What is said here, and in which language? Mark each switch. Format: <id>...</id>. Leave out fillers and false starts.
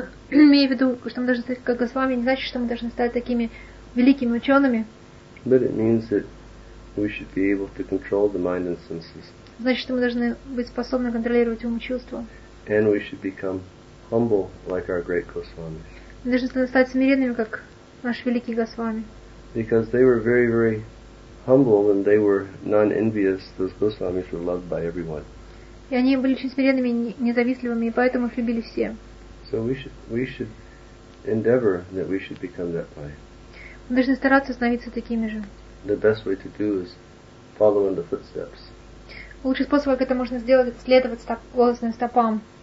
<ru>Имею в виду, что мы должны стать как Госвами, не значит, что мы должны стать такими великими учеными.</ru> <en>But it means that we should be able to control the mind and senses.</en> <ru>Значит, что мы должны быть способны контролировать ум и чувства.</ru> <en>And we should become humble like our great Goswamis.</en> <ru>Мы должны стать смиренными, как наши великие Госвами.</ru> <en>Because they were very, very humble and they were non-envious. Those Goswamis were loved by everyone.</en> <ru>И они были очень смиренными, независтливыми, и поэтому их любили все.</ru> <en>So we should endeavor that we should become that way.</en> <ru>Мы должны стараться становиться такими же.</ru> <en>The best way to do is follow in the footsteps.</en> <ru>Лучший способ, как это можно сделать, это следовать голосным стопам.</ru>